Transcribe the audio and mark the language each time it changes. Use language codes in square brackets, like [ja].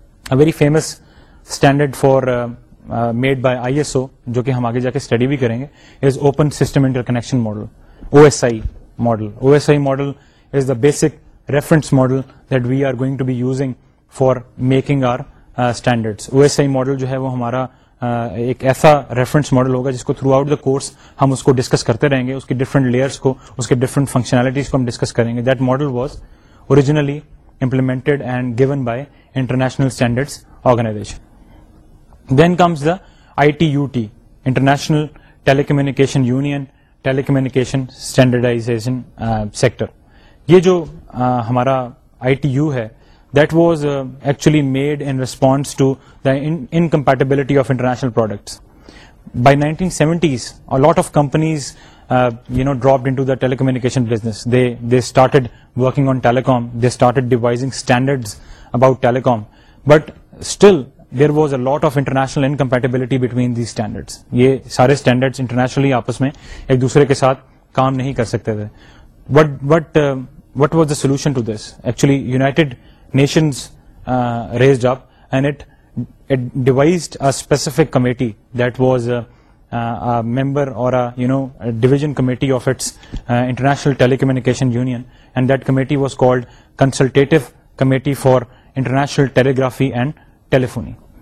[en] A very famous standard for made by ISO, [ur] jo ki hum aage ja ke study bhi karenge, [en] is open system interconnection model, OSI model. OSI model is the basic reference model that we are going to be using for making our standards. [ur] OSI model جو ہے وہ ہمارا ایک ایسا reference model ہوگا جس کو [en] throughout the course [ur] ہم اس کو ڈسکس کرتے رہیں گے, اس کے ڈفرنٹ لیئرس کو, اس کے ڈفرنٹ فنکشنالٹیز کو ہم ڈسکس کریں گے. [en] That model was originally implemented and given by international standards organization. Then comes the ITUT, International Telecommunication Union, Telecommunication Standardization Sector. [ur] یہ جو ہمارا آئی ٹی یو ہے [en] that was actually made in response to the incompatibility of international products by 1970s a lot of companies you know dropped into the telecommunication business they started working on telecom they started devising standards about telecom but still there was a lot of international incompatibility between the standards [ur] یہ سارے standards internationally آپس میں ایک دوسرے کے ساتھ کام نہیں کر سکتے تھے [en] What was the solution to this? Actually, United Nations raised up and it devised a specific committee that was a member or a division committee of its International Telecommunication Union, and that committee was called Consultative Committee for International Telegraphy and Telephony.